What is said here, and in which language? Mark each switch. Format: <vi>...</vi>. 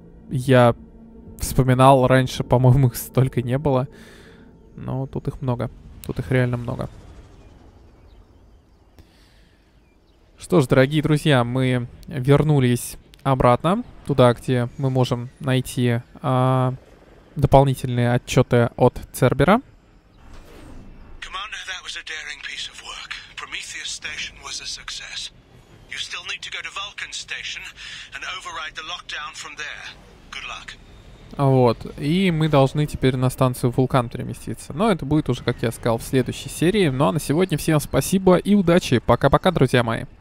<ru>Я вспоминал раньше, по-моему, их столько не было. Но тут их много. Тут их реально много. Что ж, дорогие друзья, мы вернулись обратно туда, где мы можем найти дополнительные отчеты от Цербера.</ru> <en>Commander, that was a daring piece of work. Prometheus Station was a success. You still need to go to Vulcan Station and override the lockdown from there. Good luck.</en> <ru>Вот, и мы должны теперь на станцию Вулкан переместиться. Но это будет уже, как я сказал, в следующей серии. Ну а на сегодня всем спасибо и удачи. Пока-пока, друзья мои.</ru>